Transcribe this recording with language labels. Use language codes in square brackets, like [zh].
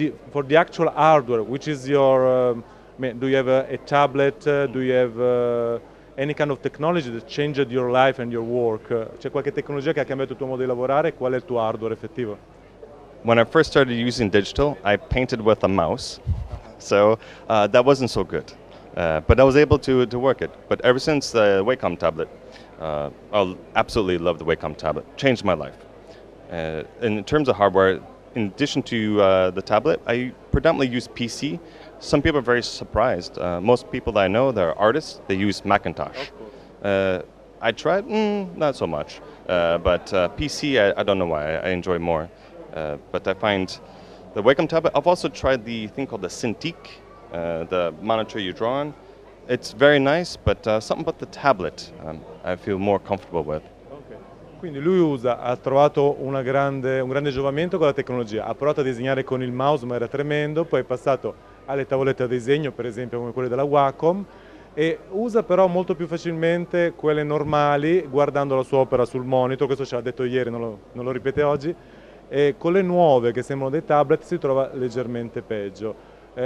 [en] For the actual hardware, which is your do you have a tablet? Do you have any kind of technology that changed your life and your work? [it] C'è qualche tecnologia che ha cambiato il tuo modo di lavorare? Qual è il tuo hardware effettivo? [en] When I first started using digital, I painted with a mouse. So that wasn't so good. But I was able to work it. But ever since the Wacom tablet, I absolutely love the Wacom tablet. Changed my life. In terms of hardware, in addition to the tablet, I predominantly use PC. Some people are very surprised. Most people that I know, they're artists, they use Macintosh. I tried, not so much. But PC, I don't know why, I enjoy more. But I find the Wacom tablet. I've also tried the thing called the Cintiq, the monitor you draw on. It's very nice, but something about the tablet I feel more comfortable with. [it] Quindi lui usa, ha trovato un grande giovamento con la tecnologia, ha provato a disegnare con il mouse ma era tremendo, poi è passato alle tavolette a disegno, per esempio come quelle della Wacom, e usa però molto più facilmente quelle normali guardando la sua opera sul monitor, questo ce l'ha detto ieri, non lo ripete oggi, e con le nuove che sembrano dei tablet si trova leggermente peggio.